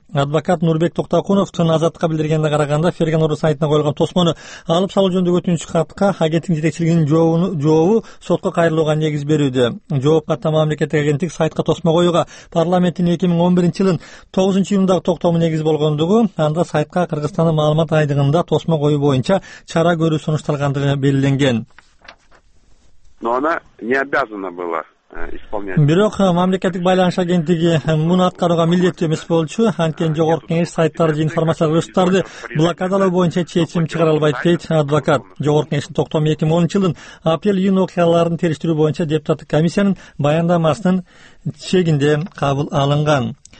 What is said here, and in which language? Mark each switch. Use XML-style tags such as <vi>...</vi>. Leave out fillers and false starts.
<ky>Адвокат Нурбек Токтокуновдун Азаттыкка билдиргенине караганда, Фергана Ру сайтына коюлган тосмону алып салуу жөнүндөгү өтүнүч катка агенттиктин жетекчилигинин жообу сотко кайрылууга негиз берүүдө. Жооп катта мамлекеттик агенттик сайтка тосмо коюуга парламенттин 2011-жылдын 9-июлундагы токтому негиз болгондугу, анда сайтка Кыргызстандын маалымат айдыгында тосмо коюу боюнча чара көрүү сунушталгандыгы белгиленген.</ky> <ru>Но она не обязана была исполнять.</ru> <ky>Бирок мамлекеттик байланыш агенттиги муну аткарууга милдеттүү эмес болчу, анткени жогорку кеңеш сайттарды же информациялык ресурстарды блокадалоо боюнча чечим чыгара албайт, дейт адвокат. Жогорку кеңештин токтому 2010-жылдын апрель июнь окуяларын териштирүү боюнча депутаттык комиссиянын баяндамасынын чегинде кабыл алынган.</ky>